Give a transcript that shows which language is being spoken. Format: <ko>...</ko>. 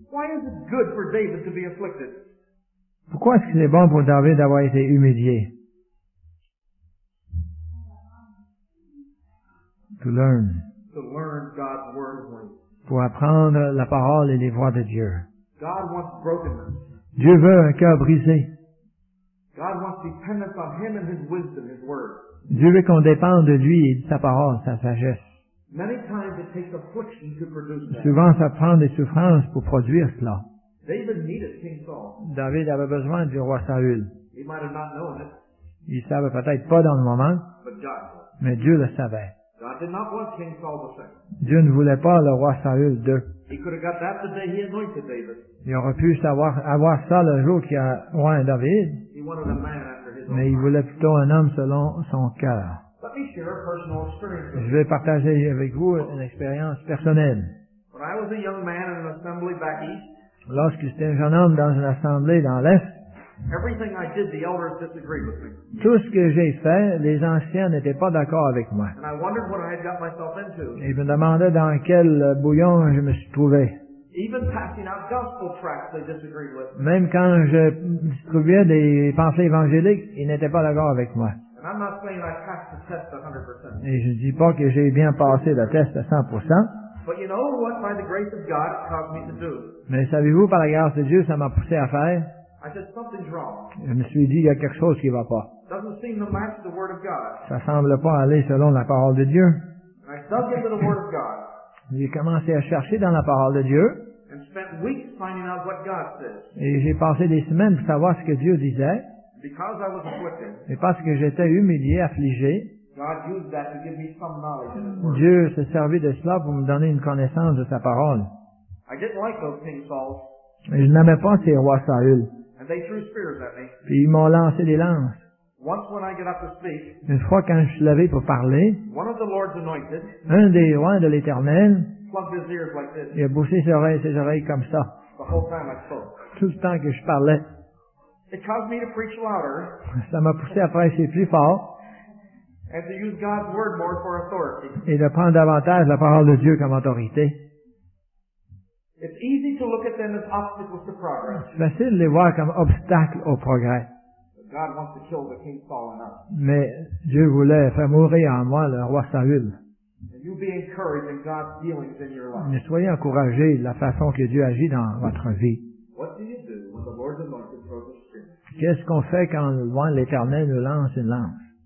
<en>Why is it good for David to be afflicted?</en> <fr>Pourquoi est-ce que c'est bon pour David d'avoir été humilié?</fr> <en>To learn. To learn God's word.</en> <fr>Pour apprendre la parole et les voies de Dieu.</fr> <en>God wants brokenness.</en> <fr>Dieu veut un cœur brisé.</fr> <en>God wants dependence on him and his wisdom, his word.</en> <fr>Dieu veut qu'on dépende de lui et de sa parole, sa sagesse.</fr> <en>Many times it takes affliction to produce that.</en> <fr>Souvent, ça prend des souffrances pour produire cela.</fr> <en>David needed King Saul.</en> <fr>David avait besoin du roi Saül.</fr> <en>He might have not known it.</en> <fr>Il savait peut-être pas dans le moment,</fr> <en>but God.</en> <fr>Mais Dieu le savait.</fr> <en>God did not want King Saul the second.</en> <fr>Dieu ne voulait pas le roi Saül II.</fr> <en>He could have got that the day he anointed David.</en> <fr>Il aurait pu avoir ça le jour qu'il a roi David.</fr> <en>He wanted a man after his own.</en> <fr>Mais il voulait plutôt un homme selon son cœur.</fr> <en>Let me share a personal experience.</en> <fr>Je vais partager avec vous une expérience personnelle.</fr> <en>When I was a young man in an assembly back east,</en> <fr>lorsque j'étais un jeune homme dans une assemblée dans l'Est,</fr> <en>everything I did, the elders disagreed with me.</en> <fr>Tout ce que j'ai fait, les anciens n'étaient pas d'accord avec moi.</fr> <en>And I wondered what I had got myself into.</en> <fr>Et ils me demandaient dans quel bouillon je me suis trouvé.</fr> <en>Even passing out gospel tracts, they disagreed with me.</en> <fr>Même quand je distribuais des pensées évangéliques, ils n'étaient pas d'accord avec moi.</fr> <en>And I'm not saying I passed the test 100%.</en> <fr>Et je ne dis pas que j'ai bien passé le test à 100%.</fr> <en>But you know what, by the grace of God, caused me to do.</en> <fr>Mais savez-vous, par la grâce de Dieu, ça m'a poussé à faire.</fr> <en>I said something's wrong.</en> <fr>Je me suis dit, il y a quelque chose qui ne va pas.</fr> <en>Doesn't seem to match the word of God.</en> <fr>Ça semble pas aller selon la parole de Dieu.</fr> <en>And I dug into the word of God.</en> <fr>J'ai commencé à chercher dans la parole de Dieu.</fr> <en>And spent weeks finding out what God says.</en> <fr>Et j'ai passé des semaines pour savoir ce que Dieu disait.</fr> <en>Because I was afflicted.</en> <fr>Et parce que j'étais humilié, affligé.</fr> <en>God used that to give me some knowledge in His word.</en> <fr>Dieu s'est servi de cela pour me donner une connaissance de sa parole.</fr> <en>I didn't like those King Sauls.</en> <fr>Je n'aimais pas ces rois Saül.</fr> <en>And they threw spears at me.</en> <fr>Puis ils m'ont lancé des lances.</fr> <en>Once when I get up to speak,</en> <fr>une fois quand je suis levé pour parler,</fr> <en>one of the Lord's anointed,</en> <fr>un des rois de l'Éternel,</fr> <en>plugged his ears like this.</en> <fr>Il a bouché ses oreilles comme ça.</fr> <en>The whole time I spoke.</en> <fr>Tout le temps que je parlais.</fr> <en>It caused me to preach louder.</en> <fr>Ça m'a poussé à prêcher plus fort.</fr> <en>And to use God's word more for authority.</en> <fr>Et de prendre davantage la parole de Dieu comme autorité.</fr> <en>It's easy to look at them as obstacles to progress.</en> <fr>C'est facile de les voir comme obstacles au progrès.</fr> <en>But God wants to kill the king Saul in us.</en> <fr>Mais Dieu voulait faire mourir en moi le roi Saül.</fr> <en>And you be encouraged in God's dealings in your life.</en> <fr>Mais soyez encouragés de la façon que Dieu agit dans votre vie.</fr> <en>What do you do when the Lord's anointed throws a spear?</en> <fr>Qu'est-ce qu'on fait quand le roi l'Éternel nous lance une lance?</fr>